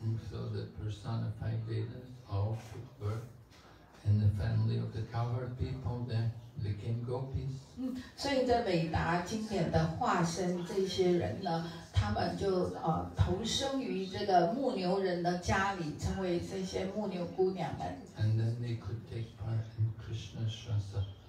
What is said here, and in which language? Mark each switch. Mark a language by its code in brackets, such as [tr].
[en] So the personified Vedas all took birth in the family of the cowherd people, then became gopis. [zh] 所以这伟达经典的化身这些人呢，他们就投生于这个牧牛人的家里，成为这些牧牛姑娘们。 [en] And then they could take part in Krishna's Rasa.